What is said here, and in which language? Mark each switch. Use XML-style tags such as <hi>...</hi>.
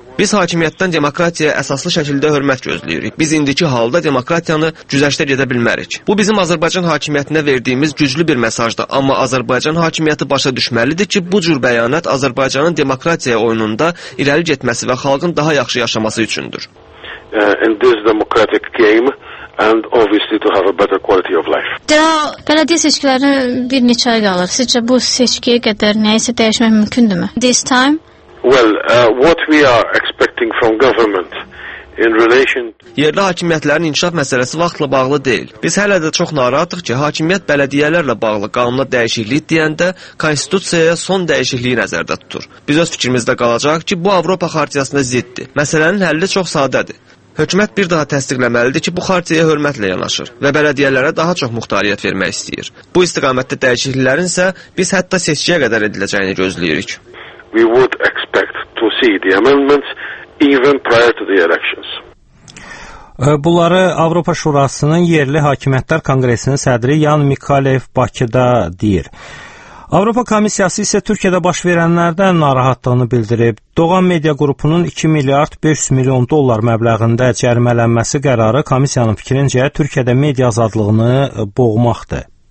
<az>Biz hakimiyyətdən demokratiyaya əsaslı şəkildə hörmət gözləyirik. Biz indiki halda demokratiyanı güzəştə gedə bilmərik. Bu bizim Azərbaycan hakimiyyətinə verdiyimiz güclü bir mesajdır. Amma Azərbaycan hakimiyyəti başa düşməlidir ki, bu cür bəyanat Azərbaycanın demokratiyaya oyununda irəli getməsi və xalqın daha yaxşı yaşaması üçündür.</az> <en>And this democratic game and obviously to have a better quality of life.</en> <az>Bələdiyyə seçkilərinə bir neçə ay qalır. Sizcə bu seçkiyə qədər nəyisə dəyişmək mümkündürmü?</az> <en>This time. Well, what we are expecting from government in relation to...</en> <az>Yerli hakimiyyətlərin inkişaf məsələsi vaxtla bağlı deyil. Biz hələ də çox narahatıq ki, hakimiyyət bələdiyyələrlə bağlı qanuna dəyişiklik deyəndə konstitusiyaya son dəyişikliyi nəzərdə tutur. Biz öz fikrimizdə qalacaq ki, bu Avropa xartiyasına ziddir. Məsələnin həlli çox sadədir. Hökumət bir daha təsdiqləməlidir ki, bu xartiyaya hörmətlə yanaşır və bələdiyyələrə daha çox muxtariyyət vermək istəyir. Bu istiqamətdə dəyişikliklərin isə biz hətta seçkiyə qədər ediləcəyini gözləyirik.</az> <en>We would expect to see the amendments even prior to the elections.</en> <az>Bunları Avropa Şurasının Yerli Hakimiyyətlər Konqresinin sədri Yan Mikhalev Bakıda deyir. Avropa Komissiyası isə Türkiyədə baş verənlərdən narahatlığını bildirib. Doğan Media Qrupunun 2 milyard 500 milyon dollar məbləğində cərimələnməsi qərarı komissiyanın fikrincə Türkiyədə media azadlığını boğmaqdır.</az>